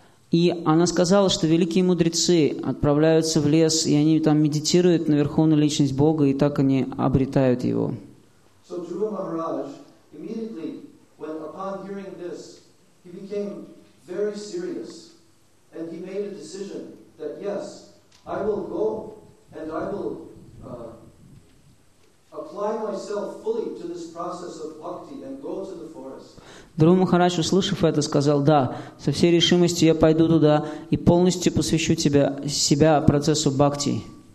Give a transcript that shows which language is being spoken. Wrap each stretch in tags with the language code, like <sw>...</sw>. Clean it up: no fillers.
<ru>И она сказала, что великие мудрецы отправляются в лес, и они там медитируют на Верховную Личность Бога, и так они обретают Его.</ru> <en>So Dhruva Maharaj immediately, when upon hearing this, he became very serious, and he made a decision that yes, I will go and I will apply myself fully to this process of bhakti and go to the forest.</en> <ru>Друг Махарадж, услышав это, сказал: «Да, со всей решимостью я пойду туда и полностью посвящу себя процессу бхакти».</ru>